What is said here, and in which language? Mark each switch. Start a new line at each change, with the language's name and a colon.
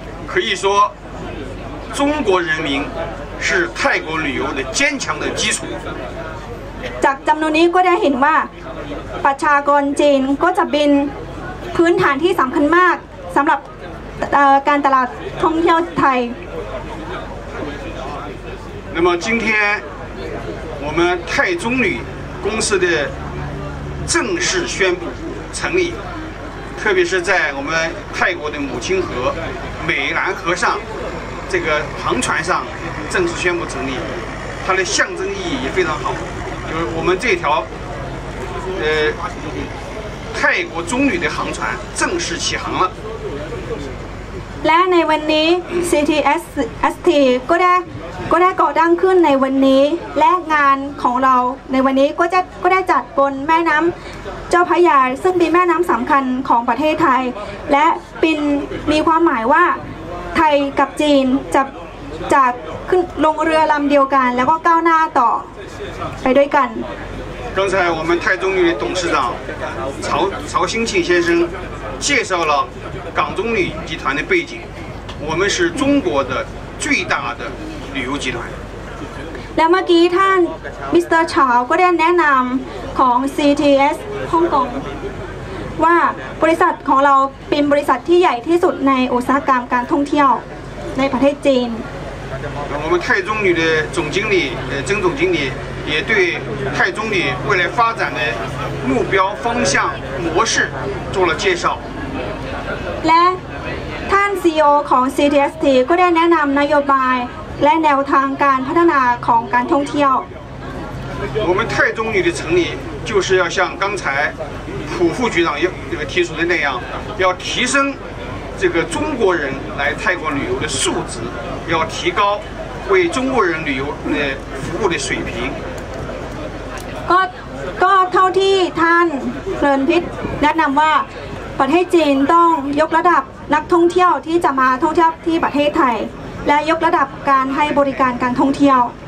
Chinese: 可以说中国人民是泰国旅游的坚强的基础
Thai: จากจำนวนนี้ก็ได้เห็นว่าประชากรจีนก็จะเป็นพื้นฐานที่สำคัญมากสำหรับการตลาดท่องเที่ยวไทย
Chinese: 那么今天我们泰中旅公司的正式宣布成立，特别是在我们泰国的母亲河美兰河上这个航船上正式宣布成立，它的象征意义也非常好，就是我们这条泰国中旅的航船正式起航了。
Thai: และในวันนี้ CTST ก็ได้ก่อตั้งขึ้นในวันนี้และงานของเราในวันนี้ก็ได้จัดบนแม่น้ำเจ้าพระยาซึ่งเป็นแม่น้ำสำคัญของประเทศไทยและเป็นมีความหมายว่าไทยกับจีนจะขึ้นลงเรือลำเดียวกันแล้วก็ก้าวหน้าต่อไปด้วยกัน
Chinese: 刚才我们泰中旅董事长曹兴庆先生介绍了港中旅集团的背景，我们是中国的最大的旅游集团。
Thai: แล้วเมื่อกี้ท่านมิสเตอร์ชาวก็ได้แนะนำของ CTS ฮ่องกงว่าบริษัทของเราเป็นบริษัทที่ใหญ่ที่สุดในอุตสาหกรรมการท่องเที่ยวในประเทศจีน
Chinese: 我们泰中旅的总经理曾总经理也对泰中旅未来发展的目标方向模式做了介绍
Thai: และท่าน CEO ของ CTST ก็ได้แนะนำนโยบายและแนวทางการพัฒนาของการท่องเที่ยว
Chinese: 我们泰中旅的成立就是要像刚才朴副局长提出的那样，要提升这个中国人来泰国旅游的素质，要提高为中国人旅游的服务的水平。
Thai: ก็เท่าที่ท่านเรินพิษแนะนำว่าประเทศจีนต้องยกระดับนักท่องเที่ยวที่จะมาท่องเที่ยวที่ประเทศไทยและยกระดับการให้บริการการท่องเที่ยว